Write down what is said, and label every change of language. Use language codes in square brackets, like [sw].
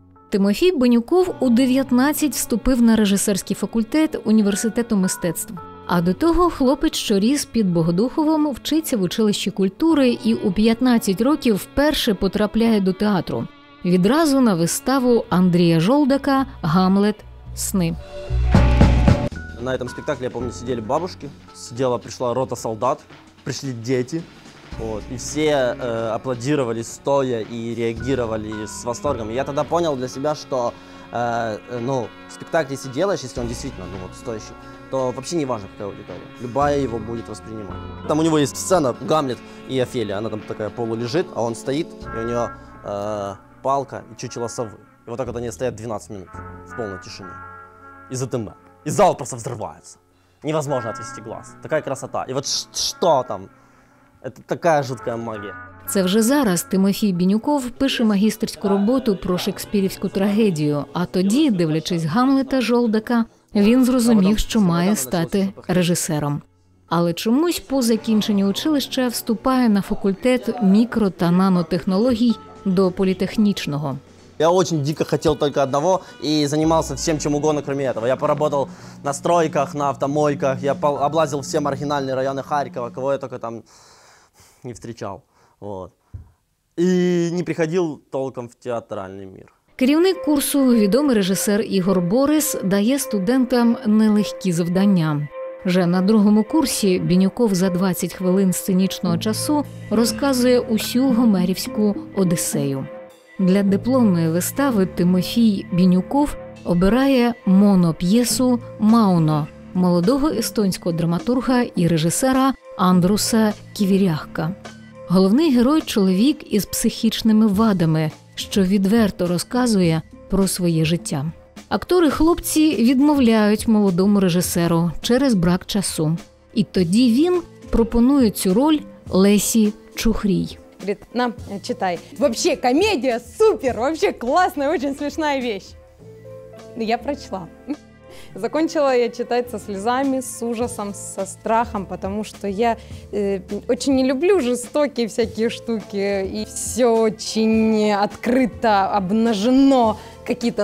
[uk] Тимофій Банюков у 19 вступив на режисерський факультет Університету мистецтв. А до того хлопець, що ріс під Богодуховим, вчиться в училищі культури і у 15 років вперше потрапляє до театру. Відразу на виставу Андрія Жолдака «Гамлет. Сни». [ru] На этом спектакле, я помню, сидели бабушки, сидела, пришла рота солдат, пришли дети. Вот, и все аплодировали стоя и реагировали с восторгом. И я тогда понял для себя, что ну, спектакль, если делаешь, если он действительно ну, вот, стоящий, то вообще не важно, какая аудитория. Любая его будет воспринимать. Там у него есть сцена «Гамлет и Офелия». Она там такая полулежит, а он стоит, и у нее палка и чучело совы. И вот так вот они стоят 12 минут в полной тишине. И затем. И зал просто взрывается. Невозможно отвести глаз. Такая красота. И вот что там? Это такая жуткая магия. [uk] Це вже зараз Тимофій Бінюков пише магістерську роботу про шекспірівську трагедію. А тоді, дивлячись «Гамлета» Жолдака, він зрозумів, що має стати режисером. Але чомусь по закінченню училища вступає на факультет мікро- та нанотехнологій до політехнічного. [ru] Я очень дико хотел только одного и занимался всем, чем угодно, кроме этого. Я поработал на стройках, на автомойках, я облазил все маргинальные районы Харькова, кого я только там не встречал. Вот. И не приходил толком в театральный мир. [uk] Керівник курсу, відомий режисер Ігор Борис, дає студентам нелегкі завдання. Вже на другому курсі Бінюков за 20 хвилин сценічного часу розказує усю гомерівську «Одисею». Для дипломної вистави Тимофій Бінюков обирає моноп'єсу «Мауно» молодого естонського драматурга і режисера Андруса Ківіряхка. Головний герой – чоловік із психічними вадами, що відверто розказує про своє життя. Актори-хлопці відмовляють молодому режисеру через брак часу. І тоді він пропонує цю роль Лесі Чухрій. [ru] Говорит, на, читай. Вообще, комедия супер, вообще классная, очень смешная вещь. Я прочла. Закончила я читать со слезами, с ужасом, со страхом, потому что я очень не люблю жестокие всякие штуки. И все очень открыто, обнажено какие-то.